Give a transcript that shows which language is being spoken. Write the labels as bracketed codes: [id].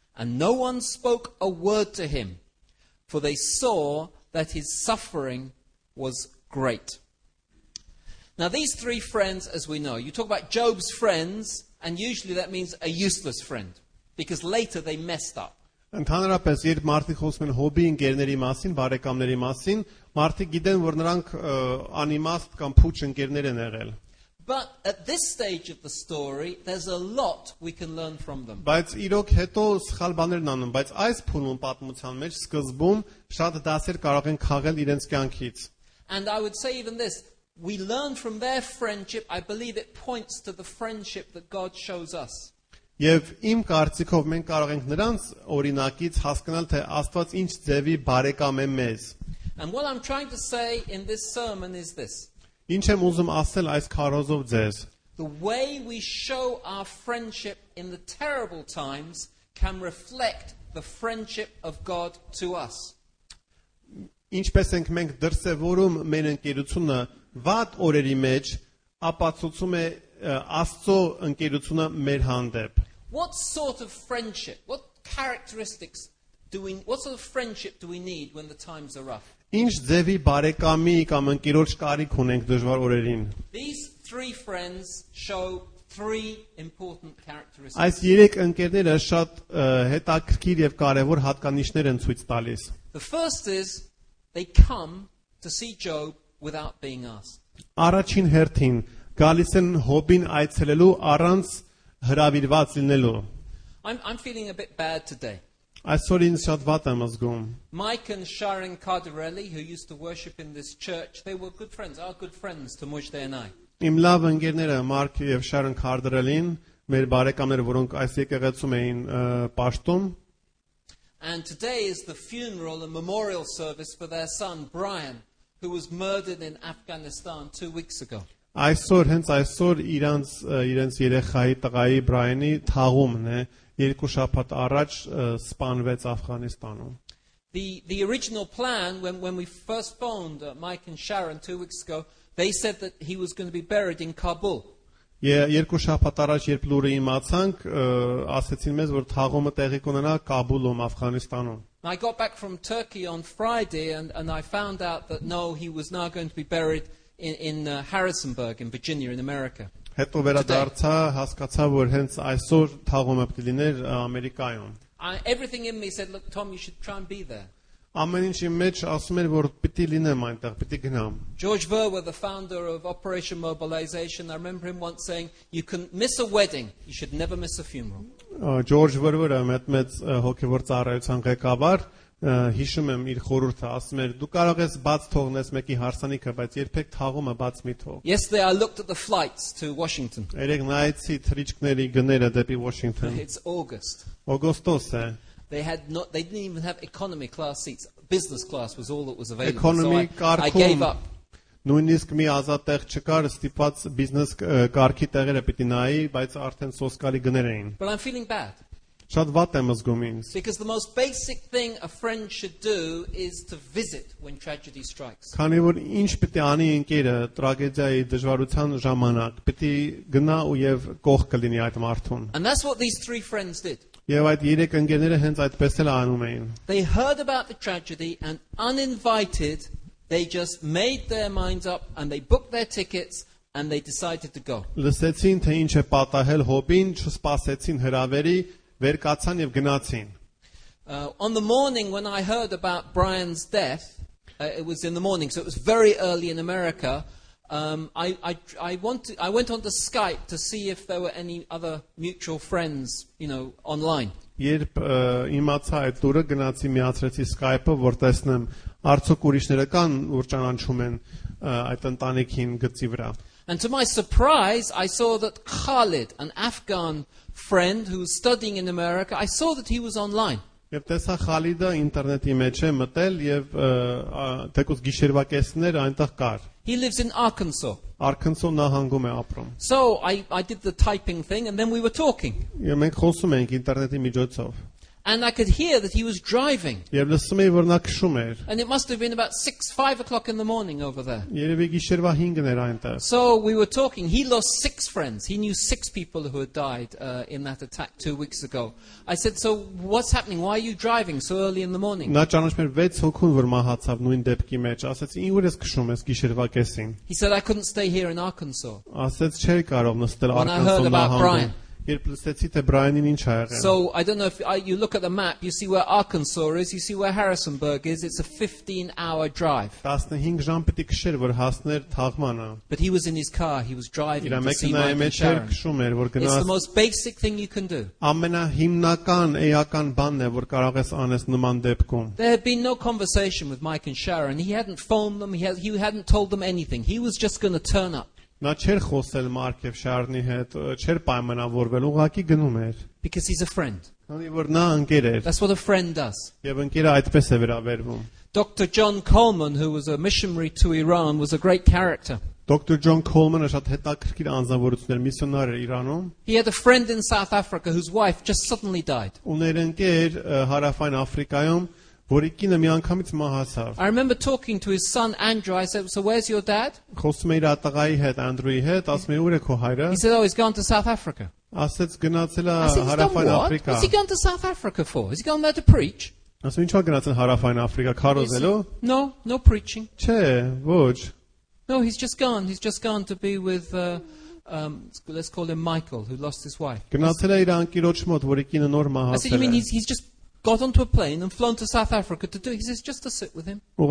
[en] And no one spoke a word to him, for they saw that his suffering was great. Now these three friends, as we know, you talk about Job's friends, and usually that means a useless friend, because later they messed up. [hy] Ընդհանրապես, երբ մարդիկ խոսում են հոբի ընկերների մասին, բարեկամների մասին, մարդիկ գիտեն, որ նրանք անիմաստ կամ փուչ ընկերներ են եղել. [en] But at this stage of the story, there's a lot we can learn from them. [hy] Բայց իրոք հետո սխալ բաներն անում, բայց այս փուլում պատմության մեջ սկզբում շատ դասեր կարող են քաղել իրենց կյանքից. [en] And I would say even this, we learn from their friendship, I believe it points to the friendship that God shows us. [hy] Եվ իմ կարծիքով մենք կարող ենք նրանց օրինակից հասկանալ, թե Աստված ինչ ձևի բարեկամ է մեզ. [en] And what I'm trying to say in this sermon is this. [hy] Ինչ եմ ուզում ասել այս քարոզով ձեզ. [en] The way we show our friendship in the terrible times can reflect the friendship of God to us. [hy] Ինչպես ենք մենք դրսևորում մեր ընկերությունը վատ օրերի մեջ, ապացուցում է Աստծո ընկերությունը մեր հանդեպ. [en] What sort of friendship? What characteristics do we what sort of friendship do we need when the times are rough? [hy] Ինչ ձևի բարեկամի կամ ընկերոջ կարիք ունենք դժվար օրերին? [en] These three friends show three important characteristics. [hy] Այս երեք ընկերները շատ հետաքրքիր եւ կարեւոր հատկանիշներ են ցույց տալիս. [en] The first is they come to see Job without being asked. [hy] Առաջին հերթին գալիս են Հոբին այցելելու առանց հրավիրված լինելու. [en] I'm feeling a bit bad today. I saw in Shadvata Mazgum. Mike and Sharon Cardarelli, who used to worship in this church, they were good friends, are good friends to Mojde and I. [hy] Իմ լավ ընկերները Մարկ եւ Շարոն Քարդրելին, մեր բարեկամները, որոնք այս եկեղեցում էին պաշտում. [en] And today is the funeral and memorial service for their son Brian, who was murdered in Afghanistan 2 weeks ago. [hy] Այսօր հենց այսօր իրենց երեխայի տղայի Բրայանի թաղումն է. Երկու շաբաթ առաջ սպանվեց Աֆղանիստանում. [en] The original plan when we first phoned Mike and Sharon 2 weeks ago, they said that he was going to be buried in Kabul. [hy] Երկու շաբաթ առաջ երբ լուրը իմացանք, ասացին մեզ, որ թաղումը տեղի կունենա Կաբուլում, Աֆղանիստանում. [en] I got back from Turkey on Friday and I found out that no, he was now going to be buried in Harrisonburg in Virginia in America. [hy] Հետո վերադարձա, հասկացա, որ հենց այսօր թաղումը պետք է լիներ Ամերիկայում. [en] Everything in me said, look, Tom, you should try and be there. [hy] Ամեն ինչ իմ մեջ ասում էր, որ պիտի լինեմ այնտեղ, պիտի գնամ. [en] George Verwer, the founder of Operation Mobilization, I remember him once saying, you can miss a wedding, you should never miss a funeral. [hy] George Verwer, մեծ հոգևոր ծառայության ղեկավար, հիշում եմ իր խորհուրդը, ասում էր, դու կարող ես բաց թողնես մեկի հարսանիքը, բայց երբեք թաղումը բաց մի թող։ [en] Yesterday I looked at the flights to Washington. [hy] Երեկ նայեցի թռիչքների գները դեպի Washington. [en] It's August. [hy] Օգոստոս է. [en] They didn't even have economy class seats. Business class was all that was available. Economy class. So I gave up. [hy] Նույնիսկ մի ազատ տեղ չկար, ստիպած business կարգի տեղերը պիտի նայի, բայց արդեն սոսկալի գներ էին. [en] But I'm feeling bad. [hy] Շատ վատ եմ զգում ինձ. [en] Because the most basic thing a friend should do is to visit when tragedy strikes. [hy] Քանի որ ինչ պիտի անի ընկերը տրագեդիայի դժվարության ժամանակ, պիտի գնա ու եւ կողք կլինի այդ մարդուն. [en] And that's what these three friends did. [hy] Եվ այդ երեք ընկերները հենց այդպես էլ անում էին. [en] They heard about the tragedy and uninvited, they just made their minds up and they booked their tickets and they decided to go. [hy] Լսեցին թե ինչ է պատահել Հոբին, չսպասեցին հրավերի, վերկացան եւ գնացին. [en] On the morning when I heard about Brian's death, it was in the morning, so it was very early in America. I went onto Skype to see if there were any other mutual friends, you know, online. [hy] Երբ իմացա այդ դուրը, գնացի միացրեցի Skype-ը, որ տեսնեմ արդյոք ուրիշները կան, որ ճանաչում են այդ ընտանիքին գծի վրա. [en] And to my surprise, I saw that Khalid, an Afghan friend who was studying in America, I saw that he was online. [hy] Եվ տեսա Խալիդը ինտերնետի մեջ է մտել եւ թեկուզ գիշերվա կեսներ այնտեղ կար. [en] He lives in Arkansas. [hy] Արկանսո նահանգում է ապրում. [en] So I did the typing thing and then we were talking. [hy] Եմ ենք խոսում ենք ինտերնետի միջոցով. [en] And I could hear that he was driving. [hy] Եվ լսում էի, որ նա քշում էր. [en] And it must have been about 6-5 o'clock in the morning over there. [hy] Երևի գիշերվա 5-ն էր այնտեղ. [en] So we were talking. He lost 6 friends. He knew 6 people who had died in that attack 2 weeks ago. I said, "So what's happening? Why are you driving so early in the morning?" [hy] Նա ճանաչում էր 6 հոգուն, որ մահացավ նույն դեպքի մեջ. Ասացի, "Ինչու ես քշում ես գիշերվա կեսին?" [en] He said, "I couldn't stay here in Arkansas." [hy] Ասաց, "Չէի կարող նստել Արկանսոսում." Երբ լսեցի թե Բրայանին ինչ ա եղել. [en] So I don't know if you look at the map, you see where Arkansas is, you see where Harrisonburg is, it's a 15 hour drive. [hy] 15 ժամ պիտի քշեր, որ հասներ թաղմանը. [en] But he was in his car, he was driving to see my friend. [hy] Իրա մեքենայի մեջ քշում էր, որ գնաս. [en] It's the most basic thing you can do. [hy] Ամենահիմնական էական բանն է, որ կարող ես անես նման դեպքում. [en] There had been no conversation with Mike and Sharon. He hadn't phoned them, he hadn't told them anything. He was just going to turn up. [hy] Նա չէր խոսել Մարկ եւ Շարնի հետ, չէր պայմանավորվել, ուղղակի գնում էր։ [en] Because he's a friend. [hy] Քանի որ նա ընկեր էր։ [en] That's what a friend does. [hy] Եվ ընկերը այդպես է վերաբերվում։ [en] Dr. John Coleman, who was a missionary to Iran, was a great character. Dr. [hy] John Coleman a շատ հետաքրքիր անձնավորություններ, միսիոնար էր Իրանում. [en] He had a friend in South Africa whose wife just suddenly died. [hy] Ուներ ընկեր հարավային Աֆրիկայում, որի կինը միանգամից մահացավ. [en] I remember talking to his son Andrew. I said, "So where's your dad?" [hy] Խոսում էր տղայի հետ, Andrew-ի հետ, ասում էր, "Ուր է քո հայրը?" [en] He said, "Oh, he's gone to South Africa." [hy] Ասաց գնացել է հարավային Աֆրիկա. [en] What's he gone to South Africa for? Is he gone there to preach? [hy] Ասում ինչա գնացել հարավային Աֆրիկա քարոզելու? [en] No, no preaching. [hy] Չէ, ոչ. [en] No, he's just gone. He's just gone to be with, let's call him Michael, who lost his wife. I said, you mean he's just got onto a plane and flown to South Africa to do it? He says, just to sit with him.